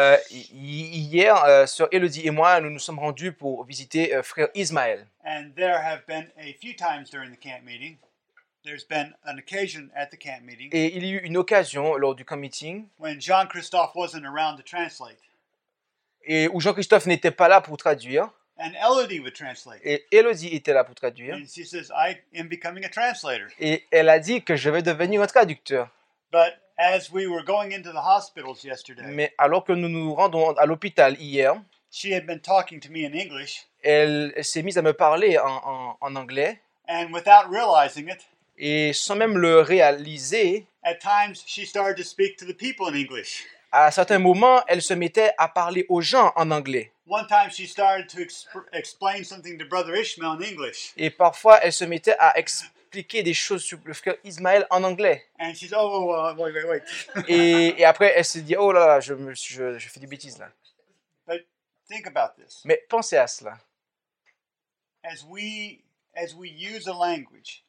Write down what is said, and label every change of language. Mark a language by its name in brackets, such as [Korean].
[French] Hier, Sœur Élodie et moi, nous nous sommes rendus pour visiter Frère Ismaël. [English] And there have been a few times during the camp meeting. There's been an occasion at the camp meeting. [French] Et il y a eu une occasion lors du camp meeting. [English] When Jean-Christophe wasn't around to translate. [French] Et où Jean-Christophe n'était pas là pour traduire. [English] And Elodie would translate. [French] Et Elodie était là pour traduire. [English] And she says, "I am becoming a translator." [French] Et elle a dit que je vais devenir un traducteur. [English] But as we were going into the hospitals yesterday. [French] Mais alors que nous nous rendons à l'hôpital hier. [English] She had been talking to me in English. [French] Elle s'est mise à me parler en anglais. [English] And without realizing it. [French] Et sans même le réaliser. [English] At times she started to speak to the people in English. [French] À certains moments, elle se mettait à parler aux gens en anglais. [English] One time she started to explain something to Brother Ishmael in English. [French] Et parfois elle se mettait à expliquer des choses sur le frère Ismaël en anglais. [English] And she's, oh, wait. [French] et après elle s'est dit, oh là là, je fais des bêtises là. [English] But think about this. [French] Mais pensez à cela. [English] As we use a language.